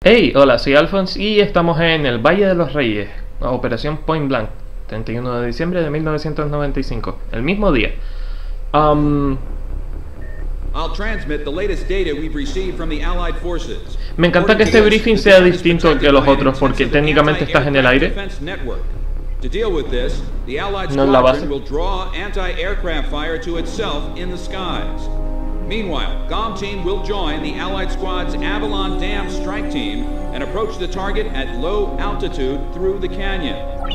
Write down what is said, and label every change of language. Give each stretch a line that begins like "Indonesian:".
Spanish: Hey, hola, soy Alphonse y estamos en el Valle de los Reyes, Operación Point Blank, 31 de diciembre de 1995, el mismo día.
English: I'll transmit the latest data we've received from the Allied forces.
Spanish: Me encanta que este briefing sea distinto que los otros porque técnicamente estás en el aire.
English: To deal with this, the Allied squadron will draw anti-aircraft fire to itself in the skies. Meanwhile, GOM team will join the Allied squad's Avalon Dam strike team and approach the target at low altitude through the canyon.